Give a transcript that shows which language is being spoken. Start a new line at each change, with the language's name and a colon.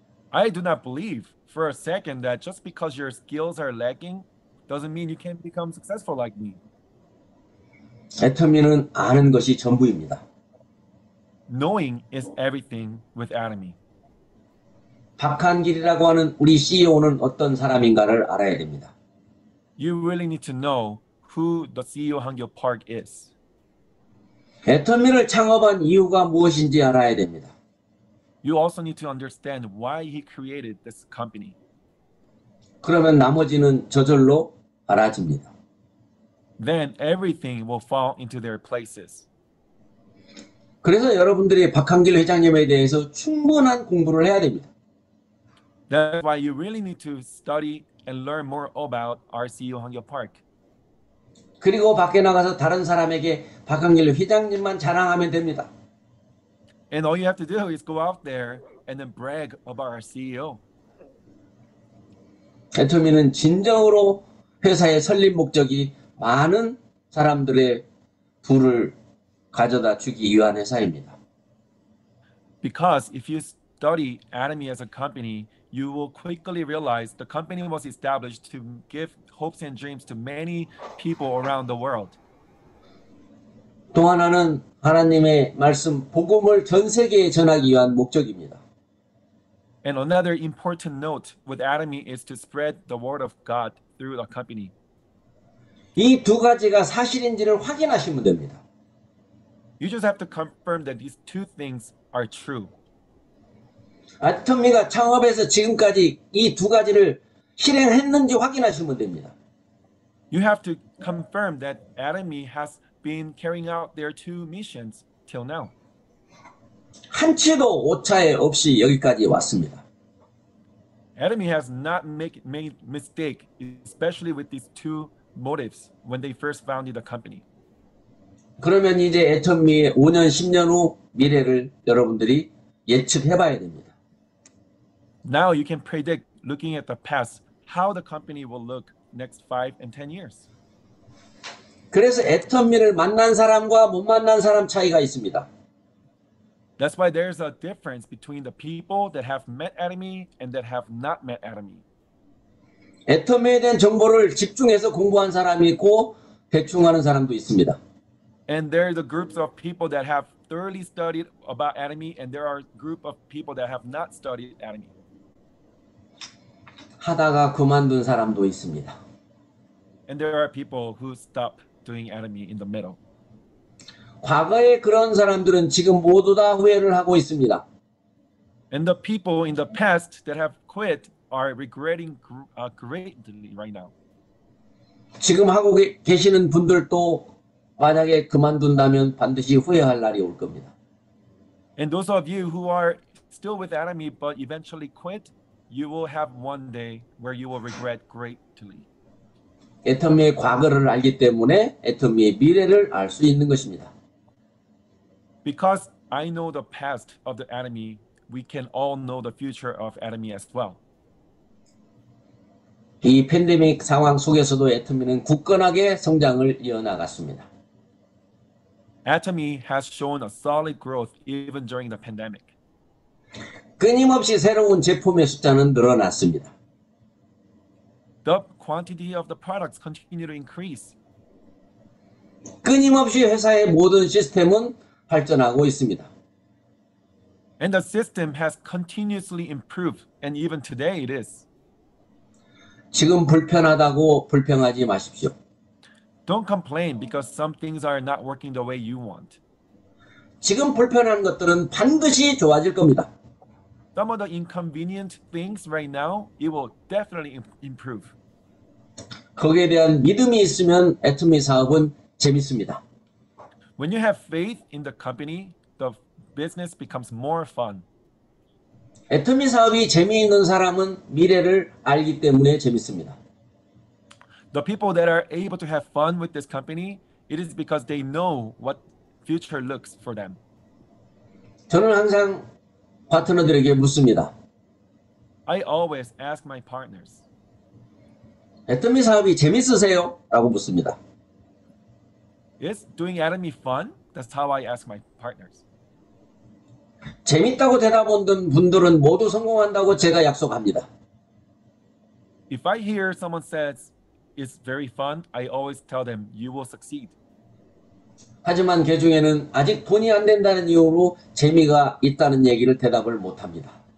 English: I do not believe for a second that just because your skills are lacking doesn't mean you can't become successful like me.
Korean: 애터미는 아는 것이 전부입니다.
English: Knowing is everything with Atomy.
Korean: 박한 길이라고 하는 우리 CEO는 어떤 사람인가를 알아야 됩니다.
English: You really need to know who the CEO Hangyo Park is.
Korean: 애터미를 창업한 이유가 무엇인지 알아야 됩니다.
English: You also need to understand why he created this company.
Korean: 그러면 나머지는 저절로 알아집니다.
English: Then everything will fall into their places.
Korean: 그래서 여러분들이 박한길 회장님에 대해서 충분한 공부를 해야 됩니다.
English: That's why you really need to study and learn more about RCU Hangyo Park.
Korean: 그리고 밖에 나가서 다른 사람에게 박한길 회장님만 자랑하면 됩니다.
English: And all you have to do is go out there and then brag about our CEO.
Korean: 애터미는 진정으로 회사의 설립 목적이 많은 사람들의 부를 가져다 주기 위한 회사입니다.
English: Because if you study Atomy as a company, you will quickly realize the company was established to give hopes and dreams to many people around the world.
Korean: 또 하나는 하나님의 말씀 복음을 전 세계에 전하기 위한 목적입니다.
English: And another important note with Atomy is to spread the word of God through the company.
Korean: 이 두 가지가 사실인지를 확인하시면 됩니다.
English: You just have to confirm that these two things are true.
Korean: 아톰이가 창업해서 지금까지 이 두 가지를 실행했는지 확인하시면 됩니다.
English: You have to confirm that Atomy has been carrying out their two missions till now.
Korean: 한치도 오차에 없이 여기까지 왔습니다.
English: Atomy has not made mistake, especially with these two motives when they first founded the company.
Korean: 그러면 이제 애터미의 5년, 10년 후 미래를 여러분들이 예측해봐야 됩니다.
English: Now you can predict, looking at the past, how the company will look next 5 and 10 years.
Korean: 그래서 애터미를 만난 사람과 못 만난 사람 차이가 있습니다.
English: That's why there's a difference between the people that have met Atomy and that have not met Atomy.
Korean: 애터미에 대한 정보를 집중해서 공부한 사람이 있고 대충하는 사람도 있습니다.
English: And there are the groups of people that have thoroughly studied about Atomy, and there are group of people that have not studied Atomy.
Korean: 하다가 그만둔 사람도 있습니다.
English: And there are people who stop doing Atomy in the middle.
Korean: 과거에 그런 사람들은 지금 모두 다 후회를 하고 있습니다.
English: And the people in the past that have quit are regretting greatly right now.
Korean: 지금 하고 계시는 분들도 만약에 그만둔다면 반드시 후회할 날이 올 겁니다.
English: And those of you who are still with Atomy but eventually quit, you will have one day where you will regret greatly.
Korean: 애터미의 과거를 알기 때문에 애터미의 미래를 알 수 있는 것입니다.
English: Because I know the past of the Atomy, we can all know the future of Atomy as well.
Korean: 이 팬데믹 상황 속에서도 애터미는 굳건하게 성장을 이어나갔습니다.
English: Atomy has shown a solid growth even during the pandemic.
Korean: 끊임없이 새로운 제품의 숫자는 늘어났습니다.
English: The quantity of the products continue to increase.
Korean: 끊임없이 회사의 모든 시스템은 발전하고 있습니다.
English: And the system has continuously improved, and even today it is.
Korean: 지금 불편하다고 불평하지 마십시오.
English: Don't complain because some things are not working the way you want.
Korean: 지금 불편한 것들은 반드시 좋아질 겁니다.
English: Some of the inconvenient things right now, it will definitely improve.
Korean: 거기에 대한 믿음이 있으면 애터미 사업은 재밌습니다.
English: When you have faith in the company, the business becomes more fun.
Korean: 애터미 사업이 재미있는 사람은 미래를 알기 때문에 재밌습니다.
English: The people that are able to have fun with this company, it is because they know what future looks for them.
Korean: 저는 항상 파트너들에게 묻습니다.
English: I always ask my partners.
Korean: 애터미 사업이 재밌으세요? 라고 묻습니다.
English: Is doing Atomy fun? That's how I ask my partners.
Korean: 재밌다고 대답하는 분들은 모두 성공한다고 제가 약속합니다.
English: If I hear someone says it's very fun, I always tell them you will succeed.
Korean: 하지만 그 중에는 아직 돈이 안 된다는 이유로 재미가 있다는 얘기를 대답을 못 합니다.